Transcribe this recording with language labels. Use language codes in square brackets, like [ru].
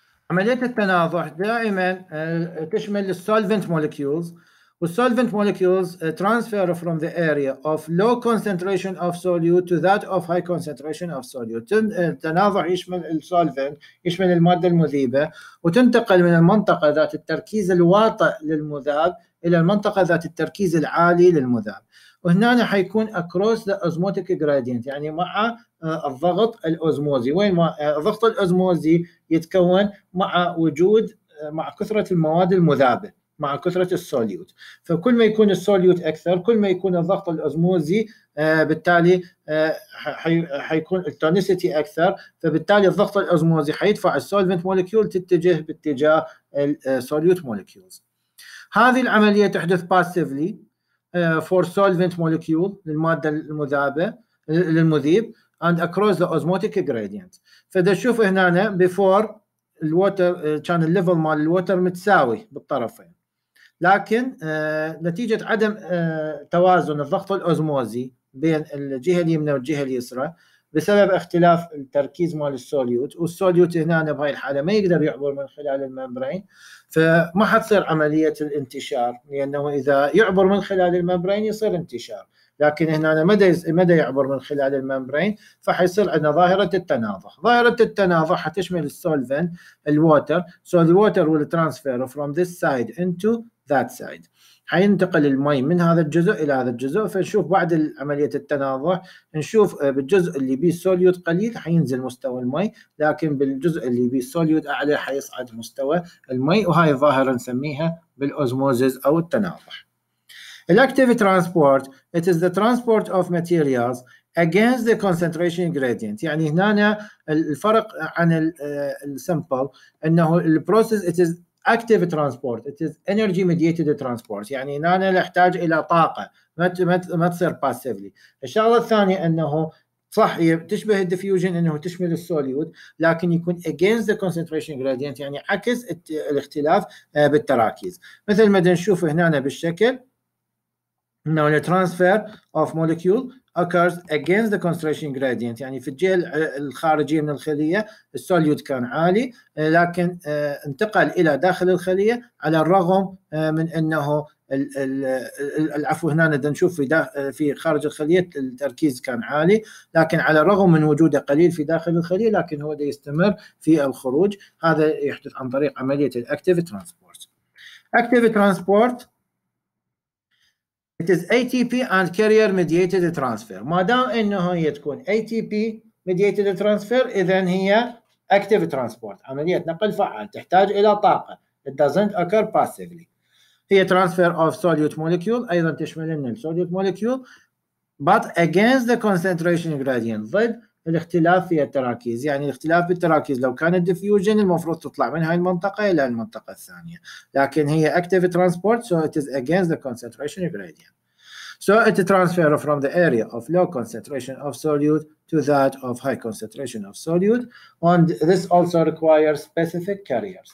[ar] عملية التناضح دائما تشمل [en] solvent molecules. والsolvent molecules transfer from the area of low concentration of solute to that of high concentration of solute. [ar] التناضح يشمل solvent, يشمل المادة المذيبة, وتنتقل من المنطقة ذات التركيز الواطئ للمذاب إلى المنطقة ذات التركيز العالي للمذاب. وهنا حيكون [en] across the osmotic gradient [ar] يعني مع الضغط الأوزموزي. وين ما الضغط الأوزموزي يتكون مع وجود مع كثرة المواد المذابة مع كثرة السوليوت. فكل ما يكون السوليوت أكثر كل ما يكون الضغط الأوزموزي بالتالي حيكون التونسيتي أكثر, فبالتالي الضغط الأوزموزي حيدفع السولفنت موليكيول تتجه باتجاه السوليوت موليكيولز. هذه العملية تحدث [en] passively for solvent molecule [ar] للمادة المذابة للمذيب [en] and across the osmotic gradient. [ar] فده شوف هنا before الوتر كان الليفل مال الوتر متساوي بالطرفين, لكن نتيجة عدم توازن الضغط الأوزموزي بين الجهة اليمنى والجهة اليسرى بسبب اختلاف التركيز مال السوليوت, والسوليوت هنا بهاي الحالة ما يقدر يعبر من خلال الممبرين, فما حتصير عملية الانتشار لأنه إذا يعبر من خلال الممبرين يصير انتشار, لكن هنا مدى يعبر من خلال الممبرين فحيصير عندنا ظاهرة التناضح. ظاهرة التناضح حتشمل السولفن الواتر. [en] So the water will transfer from this side into that side. [ar] حينتقل الماء من هذا الجزء إلى هذا الجزء. فنشوف بعد عملية التناضح نشوف بالجزء اللي بيه سوليوت قليل حينزل مستوى الماء, لكن بالجزء اللي بيه سوليوت أعلى حيصعد مستوى الماء, وهاي الظاهرة نسميها بالأوزموزز أو التناضح. [en] Elective transport, it is the transport of materials against the concentration gradient. [ar] يعني هنا الفرق عن السمبل أنه البروسيس [en] it is active transport, it is energy mediated transport. [ar] يعني هنا نحتاج إلى طاقة ما تصير passively. الشغلة الثانية أنه صح تشبه الديفيوجن أنه تشمل السوليوت, لكن يكون [en] against the concentration gradient [ar] يعني عكس الاختلاف بالتراكيز. مثل ما نشوف هنا بالشكل [en] Now the transfer of molecule occurs against the concentration gradient. [ar] يعني في الجهة الخارجية من الخلية السوليوت كان عالي لكن انتقل إلى داخل الخلية على الرغم من أنه العفو هنا نبدأ نشوف في خارج الخلية التركيز كان عالي لكن على الرغم من وجوده قليل في داخل الخلية لكن هو يستمر في الخروج. هذا يحدث عن طريق عملية الأكتيف ترانسبورت. أكتيف ترانسبورت [en] It is ATP and carrier mediated transfer. [ar] ما دام انه هي تكون [en] ATP mediated transfer [ar] اذن هي [en] active transport. [ar] عملية نقل فعال تحتاج الى طاقة. [en] It doesn't occur passively. [ar] هي [en] transfer of solute molecule [ar] ايضا تشمل ان [en] solute molecule but against the concentration gradient. [ar] ضد الاختلاف في التراكيز. يعني الاختلاف بالتراكيز لو كانت diffusion المفروض تطلع من هاي المنطقة إلى المنطقة الثانية. لكن هي [en] active transport so it is against the concentration gradient. So it transfer from the area of low concentration of solute to that of high concentration of solute. And this also requires specific carriers.